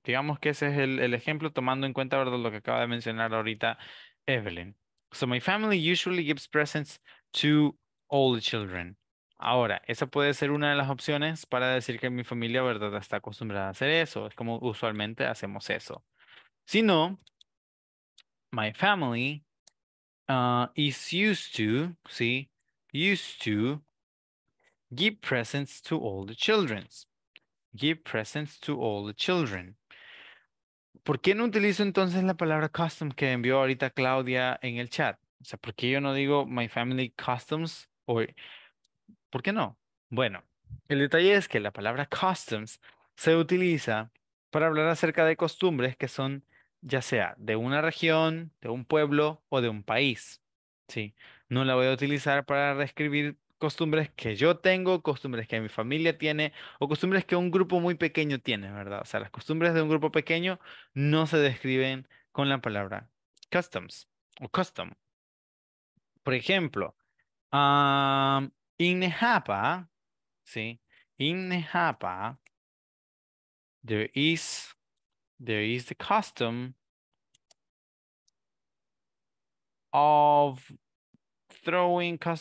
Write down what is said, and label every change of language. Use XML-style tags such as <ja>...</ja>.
<es>Digamos que ese es el ejemplo, tomando en cuenta, ¿verdad?, lo que acaba de mencionar ahorita Evelyn.</es> <en>So my family usually gives presents to all the children.</en> <es>Ahora, esa puede ser una de las opciones para decir que mi familia, ¿verdad?, está acostumbrada a hacer eso. Es como usualmente hacemos eso. Si no,</es> <en>my family is used to,</en> <es>sí,</es> <en>used to give presents to all the children. Give presents to all the children.</en> <es>¿Por qué no utilizo entonces la palabra custom que envió ahorita Claudia en el chat? O sea, ¿por qué yo no digo</es> <en>my family customs?</en> <es>¿Por qué no? Bueno, el detalle es que la palabra customs se utiliza para hablar acerca de costumbres que son ya sea de una región, de un pueblo o de un país. ¿Sí? No la voy a utilizar para reescribir costumbres que yo tengo, costumbres que mi familia tiene, o costumbres que un grupo muy pequeño tiene, ¿verdad? O sea, las costumbres de un grupo pequeño no se describen con la palabra customs o custom. Por ejemplo,</es> <en>in Nejapa, there is the custom of throwing</en>